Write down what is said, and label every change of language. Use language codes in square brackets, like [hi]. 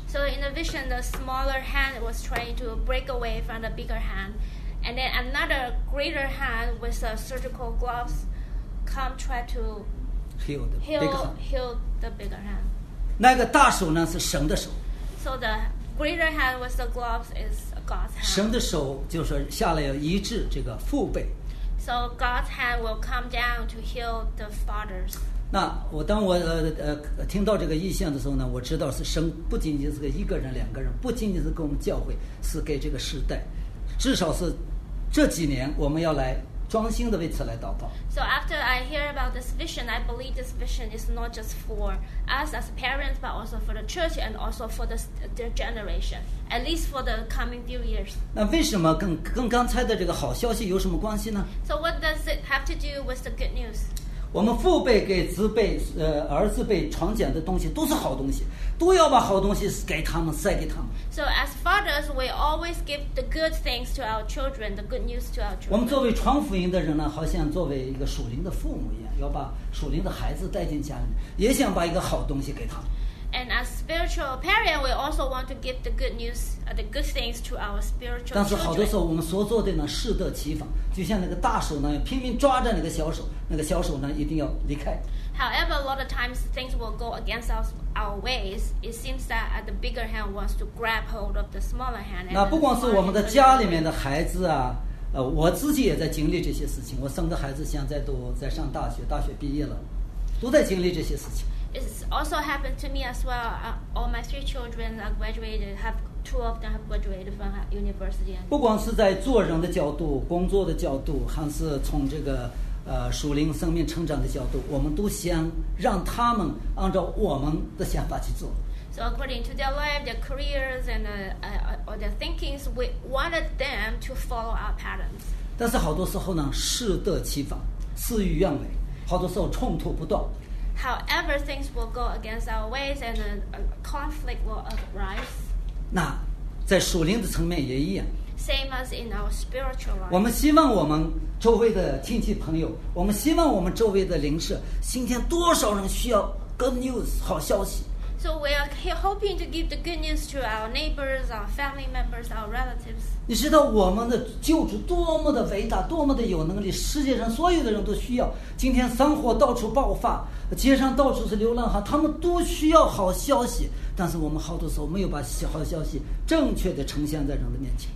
[en] So in the vision, the smaller hand was trying to break away from the bigger hand, and then another greater hand with a surgical gloves come try to heal the bigger hand. [zh] 那个大手呢是神的手。 [en] So the greater hand with the gloves is God's hand. [zh] 神的手就是下来要医治这个父辈。 [en] So God's hand will come down to heal the fathers. [zh] 那我当我听到这个意象的时候呢，我知道是神不仅仅是个一个人两个人，不仅仅是给我们教会，是给这个时代，至少是这几年我们要来专心的为此来祷告。 [en] So after I hear about this vision, I believe this vision is not just for us as parents, but also for the church and also for the generation, at least for the coming few years. [zh] 那为什么跟刚才的这个好消息有什么关系呢 [en] ？So what does it have to do with the good news? [zh] 我们父辈给子辈儿子辈传讲的东西都是好东西，都要把好东西给他们，塞给他们。 [en] So as fathers, we always give the good things to our children, the good news to our children. [zh] 我们作为传福音的人呢，好像作为一个属灵的父母一样，要把属灵的孩子带进家里，也想把一个好东西给他们。 [en] And as spiritual parents, we also want to give the good news, the good things to our spiritual children. [zh] 但是好多时候我们所做的呢，适得其反，就像那个大手呢，拼命抓着那个小手，那个小手呢一定要离开。 [en] However, a lot of times things will go against our ways. It seems that the bigger hand wants to grab hold of the smaller hand. [zh] 那不光是我们的家里面的孩子啊，我自己也在经历这些事情。我生的孩子现在都在上大学，大学毕业了，都在经历这些事情。 [en] It also happened to me as well. All my three children are graduated, have two of them have graduated from university. [zh] 不光是在做人的角度、工作的角度，还是从这个属灵生命成长的角度，我们都先让他们按照我们的想法去做。 [en] So according to their life, their careers, and or their thinkings, we wanted them to follow our patterns. [zh] 但是好多时候呢，适得其反，事与愿违，好多时候冲突不断。 [en] However, things will go against our ways, and a conflict will arise. [zh] 那在属灵的层面也一样。 [en] Same as in our spiritual life. [zh] 我们希望我们周围的亲戚朋友，我们希望我们周围的邻舍，今天多少人需要 good news 好消息。 [en] So we are hoping to give the good news to our neighbors, our family members, our relatives. [zh] 你知道我们的救主多么的伟大，多么的有能力，世界上所有的人都需要。今天山火到处爆发，街上到处是流浪汉，他们都需要好消息。但是我们好多时候没有把好消息正确的呈现在人的面前。